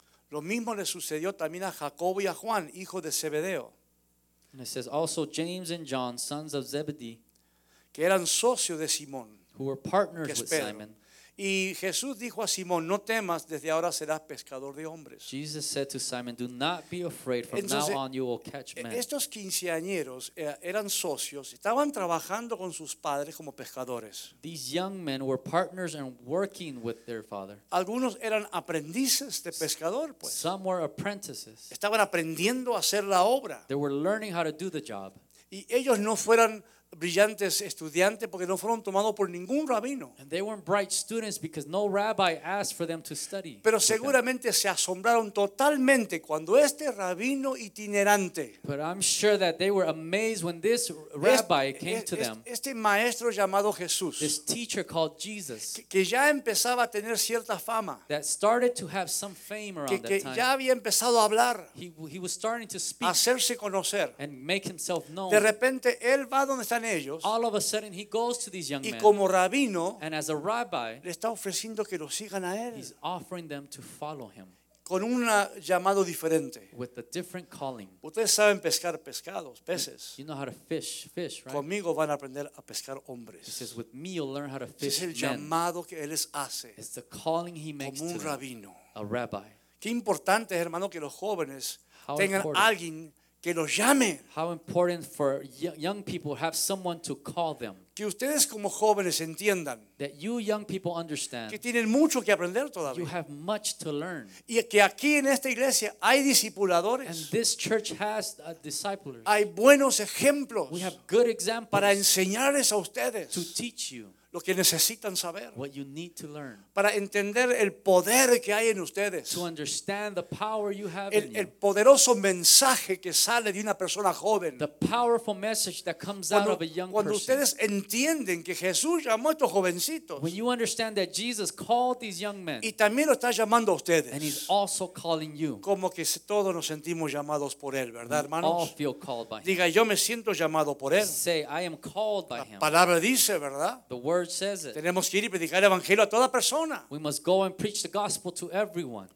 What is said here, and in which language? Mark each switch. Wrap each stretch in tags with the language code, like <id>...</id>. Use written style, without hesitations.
<es>Lo mismo le sucedió también a Jacobo y a Juan, hijos de Zebedeo.</es> <en>And it says also James and John, sons of Zebedee,</en> <es>que eran socios de Simón.</es> <en>Who were partners with Simon.</en> <es>Y Jesús dijo a Simón, no temas, desde ahora serás pescador de hombres.</es> <en>Jesus said to Simon, do not be afraid, from</en> <es>Entonces,</es> <en>now on you will catch men.</en> <es>Estos quinceañeros eran socios, estaban trabajando con sus padres como pescadores.</es> <en>These young men were partners and working with their father.</en> <es>Algunos eran aprendices de pescador, pues.</es> <en>Some were apprentices.</en> <es>Estaban aprendiendo a hacer la obra.</es> <en>They were learning how to do the job.</en> <es>Y ellos no fueran brillantes estudiantes porque no fueron tomados por ningún rabino.</es> <en>And they weren't bright students because no rabbi asked for them to study.</en> <es>Pero seguramente se asombraron totalmente cuando este rabino itinerante.</es> <en>But I'm sure that they were amazed when this rabbi came to them.</en> <es>Este maestro llamado Jesús.</es> <en>This teacher called Jesus.</en> <es>Que ya empezaba a tener cierta fama.</es> <en>That started to have some fame around that time.</en> <es>Ya había empezado a hablar.</es> <en>He was starting to speak.</en> <es>Hacerse conocer.</es> <en>And make himself known.</en> <es>De repente él va donde están ellos.</es> <en>All of a sudden he goes to these young men.</en> <es>Y como rabino,</es> <en>and as a rabbi,</en> <es>le está ofreciendo que lo sigan a él.</es> <en>He's offering them to follow him.</en> <es>Con un llamado diferente.</es> <en>With a different calling.</en> <es>Ustedes saben pescar pescados, peces.</es> <en>You know how to fish, right?</en> <es>Conmigo van a aprender a pescar hombres.</es> <en>He says, with me you'll learn how to fish men.</en> <es>Es el llamado que él les hace.</es> <en>It's the calling he makes</en> <es>como un rabino.</es> <en>A rabbi.</en> <es>Qué importante es, hermano, que los jóvenes tengan alguien que los llame.</es> <en>How important for young people have someone to call them.</en> <es>Que ustedes como jóvenes entiendan.</es> <en>That you young people understand.</en> <es>Que tienen mucho que aprender todavía.</es> <en>You have much to learn.</en> <es>Y que aquí en esta iglesia hay discipuladores.</es> <en>And this church has disciples.</en> <es>Hay buenos ejemplos.</es> <en>We have good examples.</en> <es>Para enseñarles a ustedes.</es> <en>To teach you.</en> <es>Lo que necesitan saber.</es> <en>What you need to learn.</en> <es>Para entender el poder que hay en ustedes.</es> <en>To understand the power you have</en> <es>el,</es> <en>in you.</en> <es>El poderoso mensaje que sale de una persona joven.</es> <en>The powerful message that comes out of a young</en> <es>cuando</es> <en>person.</en> <es>Cuando ustedes entienden que Jesús llamó a estos jovencitos.</es> <en>When you understand that Jesus called these young men.</en> <es>Y también lo está llamando a ustedes.</es> <en>And he's also calling you.</en> <es>Como que todos nos sentimos llamados por él, ¿verdad, hermanos?</es> <en>We all feel called by him.</en> <es>Diga, yo me siento llamado por él.</es> <en>Say, I am called by him.</en> <es>La palabra dice, ¿verdad?</es> <en>The word says it.</en> <es>Tenemos que ir y predicar el evangelio a toda persona.</es> <en>We must go and preach the gospel to everyone.</en>